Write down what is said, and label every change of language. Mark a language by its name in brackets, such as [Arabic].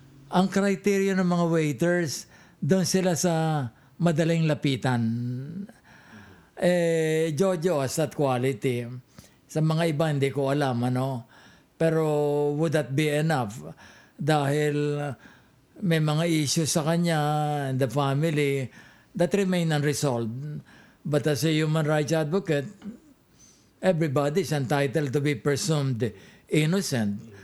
[Filipino] Ang kriteryo ng mga waiters, doon sila sa madaling lapitan. [English] Eh, Jojo has that quality. [Filipino] Sa mga iba, hindi ko alam, ano. Pero [English] would that be enough? [Filipino] Dahil may mga issues sa kanya [English] and the family that remain unresolved. But as a human rights advocate, everybody is entitled to be presumed innocent.